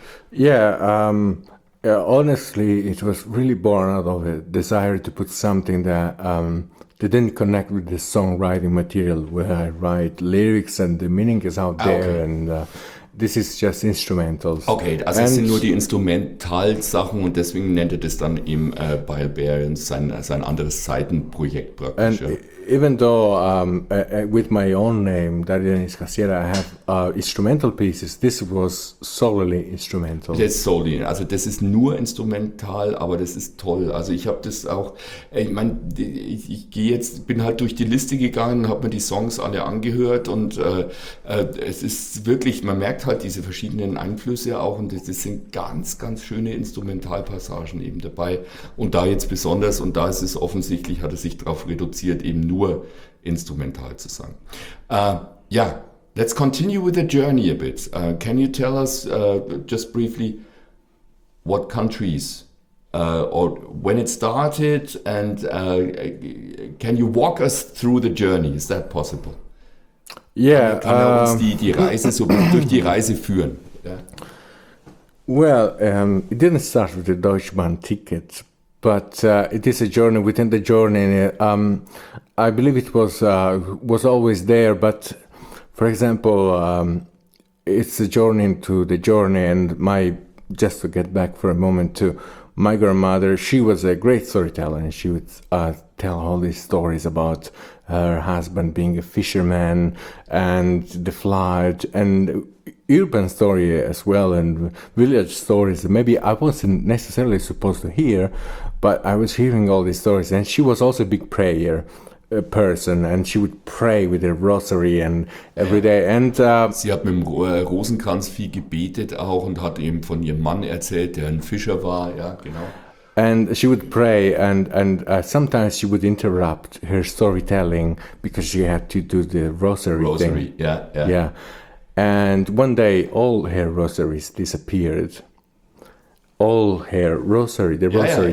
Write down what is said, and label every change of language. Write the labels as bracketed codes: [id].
[en] Yeah, honestly, it was really born out of a desire to put something that didn't connect with the songwriting material, where I write lyrics and the meaning is out there. Okay. And this is just instrumentals. [de] Okay, also es sind nur die Instrumentalsachen und deswegen nennt er das dann eben Bayle Bear und sein anderes Seitenprojekt praktisch. [en] And even though with my own name, Darien Iscasiera, I have instrumental pieces, this was solely instrumental. Yes, solely. [de] Also das ist nur instrumental, aber das ist toll. Also ich habe das auch, ich meine, ich gehe jetzt, bin halt durch die Liste gegangen, habe mir die Songs alle angehört und es ist wirklich, man merkt halt diese verschiedenen Einflüsse auch und das sind ganz, ganz schöne Instrumentalpassagen eben dabei. Und da jetzt besonders, und da ist es offensichtlich, hat er sich darauf reduziert, eben nur instrumental zu sein. [en] Let's continue with the journey a bit. Can you tell us just briefly what countries or when it started and can you walk us through the journey? Is that possible? Yeah, [de] die Reise so durch die Reise führen. [en] Yeah. Well, it didn't start with the Deutschbahn ticket, but it is a journey within the journey. I believe it was always there, but for example, it's a journey into the journey. And my, just to get back for a moment to my grandmother, she was a great storyteller, and she would tell all these stories about her husband being a fisherman and the flood and urban story as well and village stories. Maybe I wasn't necessarily supposed to hear, but I was hearing all these stories. And she was also a big prayer person, and she would pray with a rosary and every day. And [de] sie hat mit dem Rosenkranz viel gebetet auch und hat eben von ihrem Mann erzählt, der ein Fischer war. Ja, genau. [en] And she would pray, and sometimes she would interrupt her storytelling because she had to do the rosary thing. Yeah. And one day, all her rosaries disappeared. All Hair, Rosary, the Rosary,